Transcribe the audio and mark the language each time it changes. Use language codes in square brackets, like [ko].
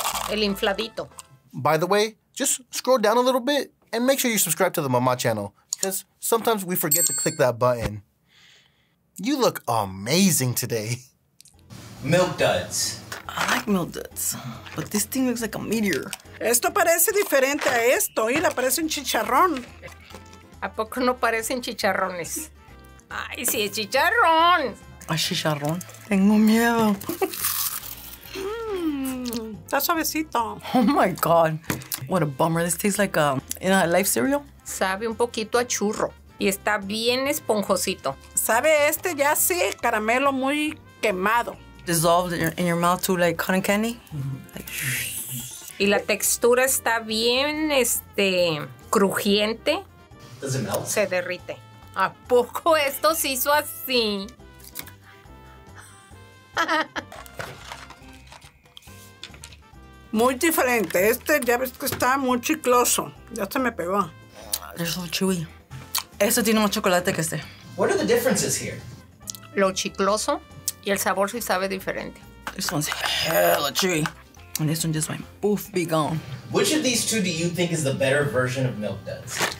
[es] El infladito. [en] By the way, just scroll down a little bit and make sure you subscribe to the Mama channel, because sometimes we forget to click that button. You look amazing today. Milk duds. I like milk duds, but this thing looks like a meteor. [es] Esto parece diferente a esto, y la parece un chicharrón. ¿A poco no parecen chicharrones? Ay, sí, es chicharrón. ¿A chicharrón? Tengo miedo. Está suavecito. [en] Oh my God. What a bummer. This tastes like a life cereal. [es] Sabe un poquito a churro. Y está bien esponjosito. Sabe este ya sí, caramelo muy quemado. [en] Dissolved in your mouth too, like cotton candy. [es] Y la textura está bien crujiente. [en] Does it melt? [es] Se derrite. ¿A poco esto se hizo así? Muy diferente. Este ya ves que está muy chicloso. Ya se me pegó. [en] They're so chewy. [es] Este tiene más chocolate que este. [en] What are the differences here? [es] Lo chicloso y el sabor sí sabe diferente. [en] This one's hella chewy. And this one just went poof, be gone. Which of these two do you think is the better version of milk duds?